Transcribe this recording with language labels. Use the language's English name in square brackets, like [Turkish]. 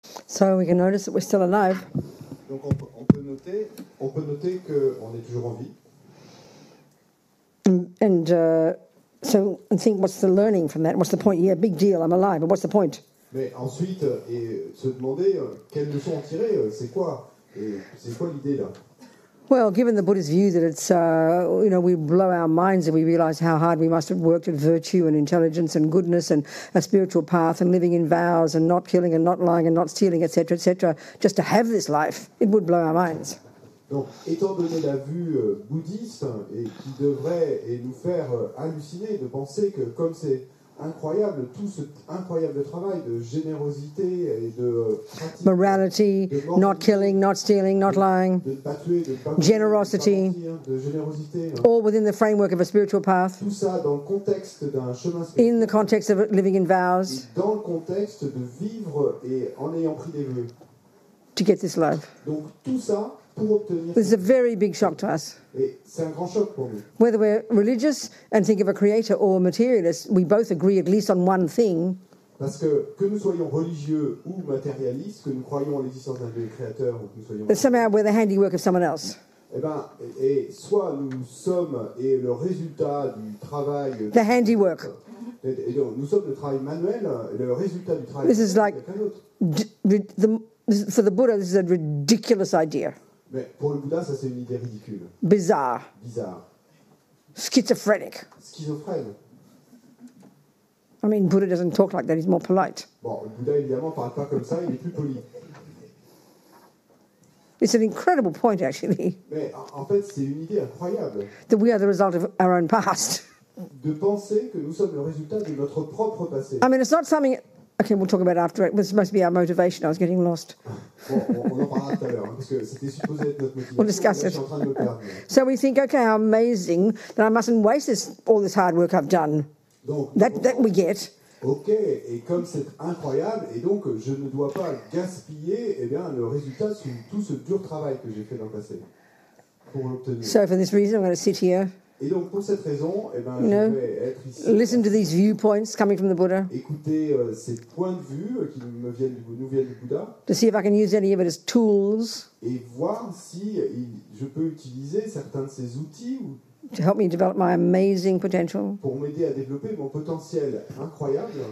[English] So we can notice that we're still alive. [French] Donc on peut noter que on est toujours en vie. [English] So and think, what's the learning from that? What's the point? Yeah, big deal, I'm alive, but what's the point? [French] Mais ensuite, et se demander quelles leçons en tirer, c'est quoi? Et c'est quoi l'idée là? [English] Well, given the Buddha's view that it's, you know, we blow our minds and we realize how hard we must have worked at virtue and intelligence and goodness and a spiritual path and living in vows and not killing and not lying and not stealing, etc., etc., just to have this life, it would blow our minds. [French] Donc, étant donné la vue bouddhiste et qui devrait et nous faire halluciner de penser que comme c'est incroyable, tout ce incroyable travail de générosité et de pratique, [English] morality, [French] de mort, [English] not killing, not stealing, not lying, generosity, all within the framework of a spiritual path, [French] tout ça dans le contexte d'un chemin spirituel, [English] in the context of living in vows, [French] dans le contexte de vivre et en ayant pris des vœux, [English] to get this life. [French] Donc tout ça pour obtenir. [English] This is a very big shock to us. [French] Et c'est un grand choc pour nous. [English] Whether we're religious and think of a creator or materialist, we both agree at least on one thing. [French] Parce que nous soyons religieux ou matérialistes, que nous croyons en l'existence d'un Dieu créateur ou que nous soyons. [English] That somehow we're the handiwork of someone else. [French] Eh ben, et soit nous sommes et le résultat du travail. [English] The handiwork. [French] Et donc nous sommes le travail manuel, le résultat du travail. [English] This is like for the Buddha, this is a ridiculous idea. [French] Mais pour le Bouddha, ça c'est une idée ridicule. [English] Bizarre. [French] Bizarre. [English] Schizophrenic. [French] Schizophrène. [English] I mean, Buddha doesn't talk like that, he's more polite. [French] Bon, le Bouddha évidemment parle pas comme ça, il est plus poli. [English] It's an incredible point, actually. [French] Mais en fait, c'est une idée incroyable. [English] That we are the result of our own past. [French] De penser que nous sommes le résultat de notre propre passé. [English] I mean, it's not something. Okay, we'll talk about it after. It was supposed to be our motivation. I was getting lost. We'll discuss it. So we think, okay, how amazing that I mustn't waste this, all this hard work I've done. That we get. [French] Okay, et comme c'est incroyable, et donc je ne dois pas gaspiller, eh bien, le résultat sur tout ce dur travail que j'ai fait dans le passé pour l'obtenir. [English] So for this reason, I'm going to sit here. [French] Et donc pour cette raison, eh ben, je vais être ici. [English] Listen to these viewpoints coming from the Buddha. [French] Écouter ces points de vue qui nous viennent du Bouddha. [English] To see if I can use any of it as tools. [French] Et voir si je peux utiliser certains de ces outils. [English] To help me develop my amazing potential. [French] Pour m'aider à développer mon potentiel incroyable.